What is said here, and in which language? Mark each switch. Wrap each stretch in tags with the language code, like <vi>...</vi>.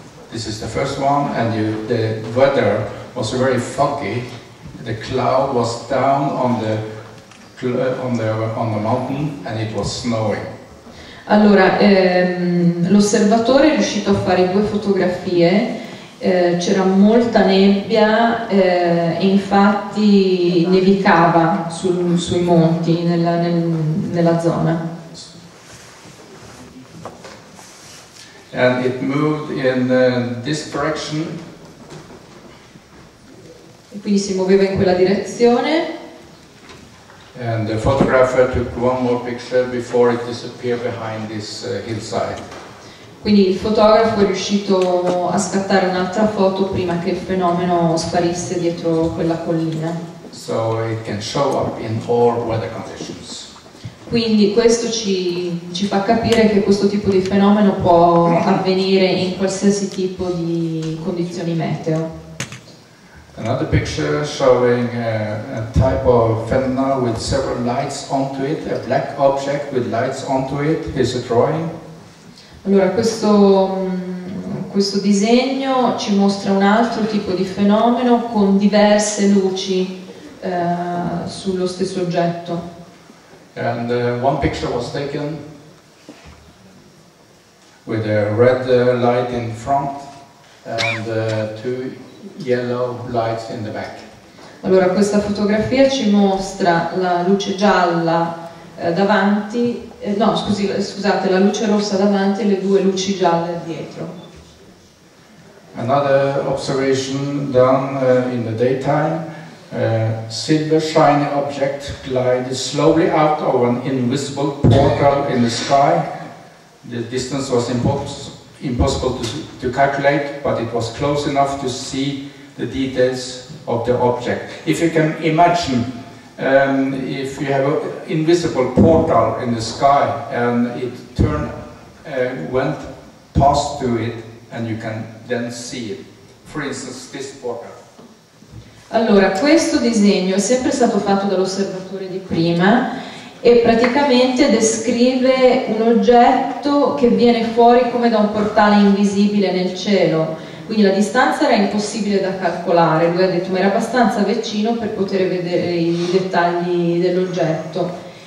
<en>This is the first one, and the weather was very foggy. The cloud was down on the mountain, and it was snowing.</en> <it>Allora, l'osservatore è riuscito a fare due fotografie. C'era molta nebbia, e infatti nevicava sui monti nella zona.</it> <en>And it moved in this direction.</en> <it>E quindi si muoveva in quella direzione.</it> <en>And the photographer took one more picture before it disappeared behind this hillside.</en> <it>Quindi il fotografo è riuscito a scattare un'altra foto prima che il fenomeno sparisse dietro quella collina.</it> <en>So it can show up in all weather conditions.</en> <it>Quindi questo ci fa capire che questo tipo di fenomeno può avvenire in qualsiasi tipo di condizioni meteo.</it> <en>Another picture showing a type of phenomenon with several lights onto it, a black object with lights onto it, is a drawing.</en> <it>Allora, questo disegno ci mostra un altro tipo di fenomeno con diverse luci sullo stesso oggetto.</it> <en>And one picture was taken with a red light in front and two yellow lights in the back.</en> <it>Allora, questa fotografia ci mostra la luce gialla davanti, no, scusate, la luce rossa davanti e le due luci gialle dietro.</it> <en>Another observation done in the daytime, a silver shiny object glided slowly out of an invisible portal in the sky. The distance was impossible to calculate, but it was close enough to see the details of the object. If you can imagine, if you have an invisible portal in the sky and it turned, went past to it, and you can then see it. For instance, this portal.</en> <it>Allora, questo disegno è sempre stato fatto dall'osservatore di prima e praticamente descrive un oggetto che viene fuori come da un portale invisibile nel cielo. Quindi la distanza era impossibile da calcolare, lui ha detto, ma era abbastanza vicino per poter vedere i dettagli dell'oggetto.</it>